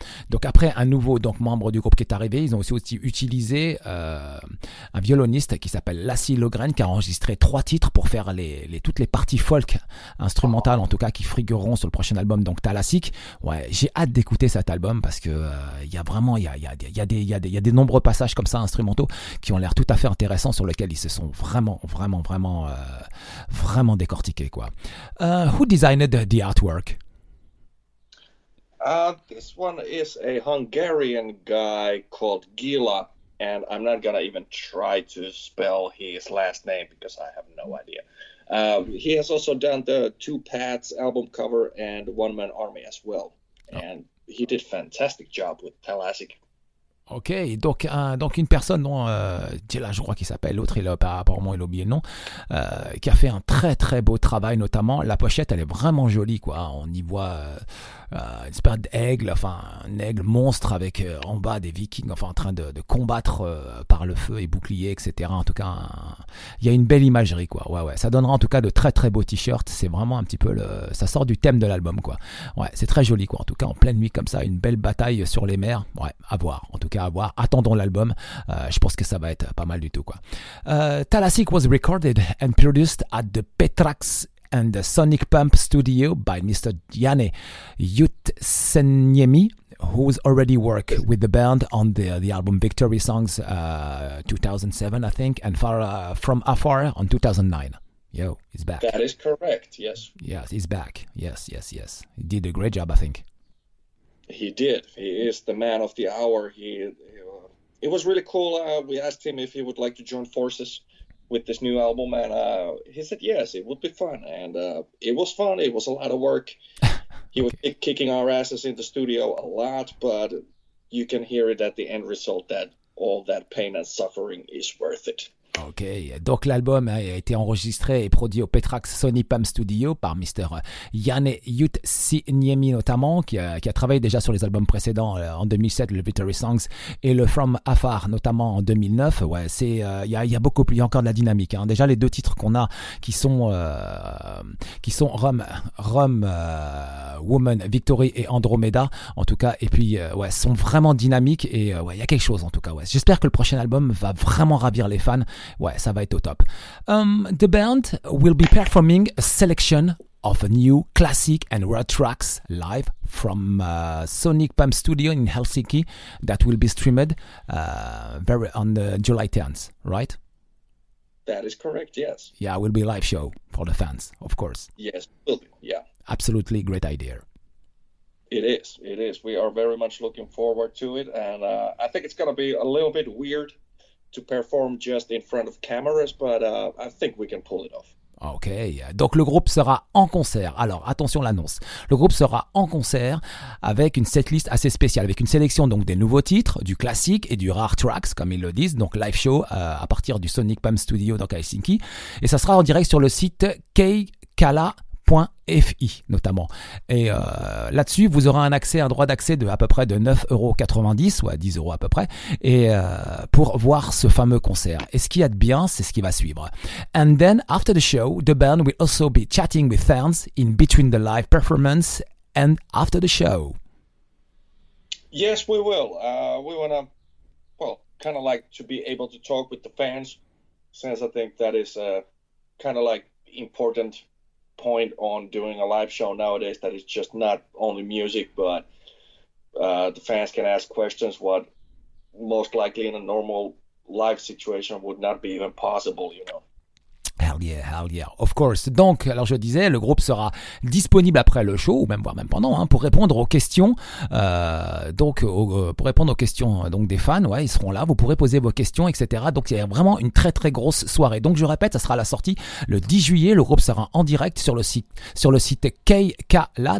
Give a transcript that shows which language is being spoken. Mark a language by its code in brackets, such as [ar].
[fr] Donc après un nouveau donc membre du groupe qui est arrivé, ils ont aussi utilisé un violoniste qui s'appelle Lasse Lohgren qui a enregistré trois titres pour faire toutes les parties folk instrumentales en tout cas qui figureront sur le prochain album donc Thalassic. Ouais, j'ai hâte d'écouter cet album parce que y a vraiment y a des nombreux passages comme ça instrumentaux qui ont l'air tout à fait intéressants sur lesquels ils se sont vraiment décortiqués quoi. [en] Who designed the artwork? This one is a Hungarian guy called Gila, and I'm not gonna even try to spell his last name because I have no idea. He has also done the Two Paths album cover and One Man Army as well, and he did fantastic job with Thalassic. [fr] Ok, donc une personne dont là je crois qu'il s'appelle l'autre, il a apparemment il a oublié le nom, qui a fait un très très beau travail notamment. La pochette elle est vraiment jolie quoi. On y voit une espèce d'aigle, enfin un aigle monstre avec en bas des vikings enfin en train de combattre par le feu et boucliers etc. En tout cas, il y a une belle imagerie quoi. Ouais. Ça donnera en tout cas de très très beaux t-shirts. C'est vraiment un petit peu ça sort du thème de l'album quoi. Ouais, c'est très joli quoi. En tout cas, en pleine nuit comme ça, une belle bataille sur les mers. Ouais, à voir. En tout cas, à voir. Attendons l'album. Je pense que ça va être pas mal du tout quoi. [en] Thalassic was recorded and produced at the Petrax and the Sonic Pump Studio by Mr. Yane Yutseniemi, who's already worked with the band on the album Victory Songs 2007, I think, and From Afar on 2009. Yo, he's back. That is correct, yes. Yes, he's back. Yes. He did a great job, I think. He did. He is the man of the hour. It was really cool. We asked him if he would like to join forces with this new album, and he said yes, it would be fun. And it was fun. It was a lot of work. He was kicking our asses in the studio a lot, but you can hear it at the end result that all that pain and suffering is worth it. [fr] Ok, donc l'album a été enregistré et produit au Petrax Sony Pump Studio par Mr. Yane Yutseniemi notamment, qui a travaillé déjà sur les albums précédents en 2007, le Victory Songs et le From Afar notamment en 2009. Ouais, il y a beaucoup plus, il y a encore de la dynamique. Hein. Déjà les deux titres qu'on a qui sont Rum Woman Victory et Andromeda en tout cas, et puis ouais, sont vraiment dynamiques et ouais, il y a quelque chose en tout cas. Ouais, j'espère que le prochain album va vraiment ravir les fans. Ouais, ça va être au top. [en] The band will be performing a selection of new classic and rare tracks live from Sonic Pump Studio in Helsinki that will be streamed very on the July 10th, right? That is correct, yes. Yeah, it will be a live show for the fans, of course. Yes, will be, yeah. Absolutely great idea. It is. We are very much looking forward to it, and I think it's going to be a little bit weird to perform just in front of cameras, but I think we can pull it off. [fr] Ok, donc le groupe sera en concert. Alors attention l'annonce. Le groupe sera en concert avec une setlist assez spéciale, avec une sélection donc des nouveaux titres, du classique et du rare tracks, comme ils le disent. Donc live show à partir du Sonic Pump Studio dans Helsinki. Et ça sera en direct sur le site keikala.fi notamment. Et là-dessus, vous aurez un droit d'accès de à peu près de 9,90 € ou à 10 € à peu près, et pour voir ce fameux concert. Et ce qu'il y a de bien, c'est ce qui va suivre. [en] And then after the show, the band will also be chatting with fans in between the live performance and after the show. Yes, we will. We want to, well, kind of like to be able to talk with the fans, since I think that is kind of like important point on doing a live show nowadays, that it's just not only music, but the fans can ask questions what most likely in a normal live situation would not be even possible, you know. Hell yeah, hell yeah, of course. [fr] Donc, alors je disais, le groupe sera disponible après le show, ou même voire même pendant, hein, pour répondre aux questions. Pour répondre aux questions donc des fans, ouais, ils seront là. Vous pourrez poser vos questions, etc. Donc, il y a vraiment une très très grosse soirée. Donc, je répète, ça sera la sortie le 10 juillet. Le groupe sera en direct sur le site KKLA.